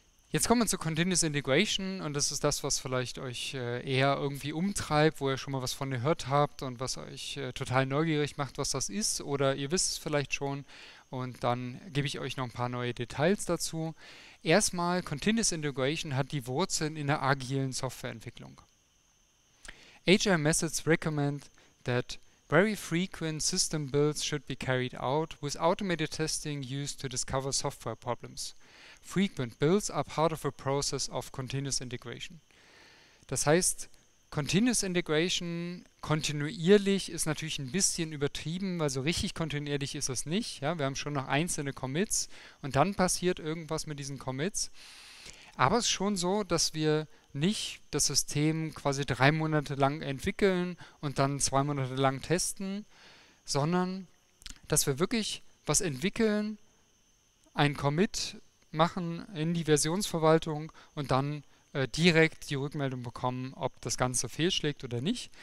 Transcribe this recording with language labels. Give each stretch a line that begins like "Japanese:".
German: Jetzt kommen wir zu Continuous Integration und das ist das, was vielleicht euch eher irgendwie umtreibt, wo ihr schon mal was von gehört habt und was euch total neugierig macht, was das ist oder ihr wisst es vielleicht schon und dann gebe ich euch noch ein paar neue Details dazu. Erstmal, Continuous Integration hat die Wurzeln in der agilen Softwareentwicklung.
English: Agile methods recommend that very frequent system builds should be carried out with automated testing used to discover software problems. Frequent builds are part of a process of continuous integration.
German: Das heißt, continuous integration, kontinuierlich, ist natürlich ein bisschen übertrieben, weil so richtig kontinuierlich ist es nicht. Ja, wir haben schon noch einzelne Commits und dann passiert irgendwas mit diesen Commits. Aber es ist schon so, dass wir nicht das System quasi 3 Monate lang entwickeln und dann 2 Monate lang testen, sondern dass wir wirklich was entwickeln, einen Commit machen in die Versionsverwaltung und dann direkt die Rückmeldung bekommen, ob das Ganze fehlschlägt oder nicht.